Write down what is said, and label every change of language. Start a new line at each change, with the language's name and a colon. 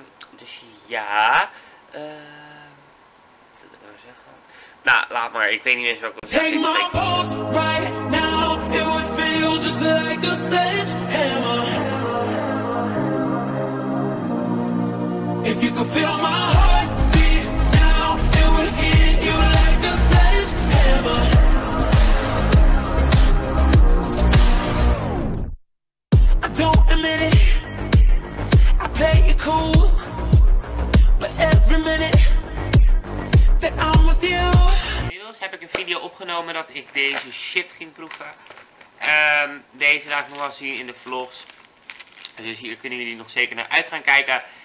Dutch: Dus ja. Wat wil ik nou zeggen? Nou, laat maar. Ik weet niet eens wat ik moet zeggen.
English: Take my pulse right now. It would feel just like a sledgehammer. If you could feel my heartbeat now, it would hit you like a sledgehammer. I don't admit it. Play it cool, but every minute that I'm with you.
Dutch: Inmiddels heb ik een video opgenomen dat ik deze shit ging proeven. Deze laat ik nog wel zien in de vlogs. Dus hier kunnen jullie nog zeker naar uit gaan kijken.